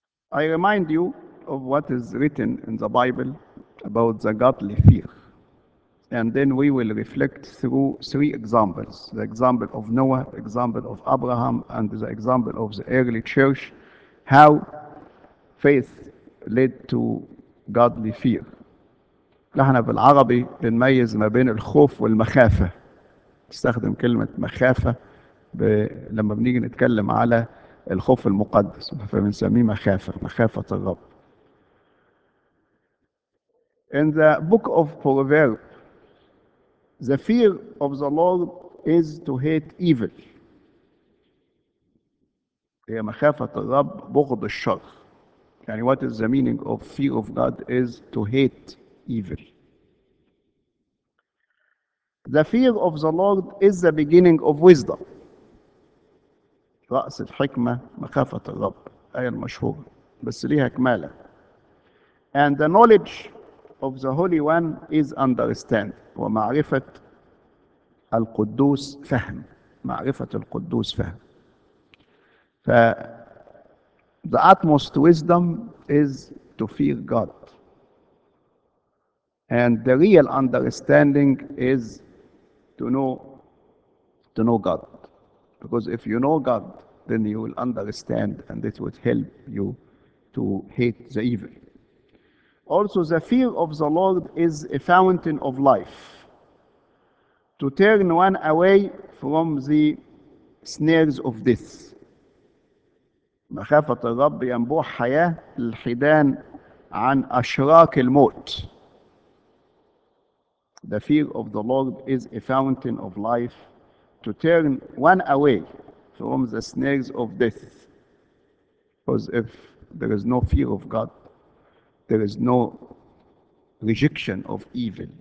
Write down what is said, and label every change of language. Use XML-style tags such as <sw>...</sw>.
<en>I remind you of what is written in the Bible about the godly fear. And then we will reflect through three examples: the example of Noah, the example of Abraham, and the example of the early church, how faith led to godly fear.</en> <ar>نحن بالعربي بنميز ما بين الخوف والمخافة. نستخدم كلمة مخافة لما بنيجي نتكلم على الخوف المقدس، فبنسميه مخافة، مخافة الرب.</ar> <en>In the book of Proverbs, the fear of the Lord is to hate evil.</en> <ar>هي مخافة الرب بغض الشر.</ar> <en>يعني what is the meaning of fear of God is to hate evil. The fear of the Lord is the beginning of wisdom.</en> <ar>رأس الحكمة مخافة الرب، آية مشهورة بس ليها كمالة.</ar> <en>And the knowledge of the Holy One is understand.</en> <ar>ومعرفة القدوس فهم، معرفة القدوس فهم.</ar> <en>The utmost wisdom is to fear God. And the real understanding is to know God. Because if you know God, then you will understand, and it would help you to hate the evil. Also, the fear of the Lord is a fountain of life, to turn one away from the snares of death.</en> <ar>مخافة الرب ينبوع حياة للحيدان عن أشراك الموت.</ar> <en>The fear of the Lord is a fountain of life, to turn one away from the snares of death. Because if there is no fear of God, there is no rejection of evil.</en>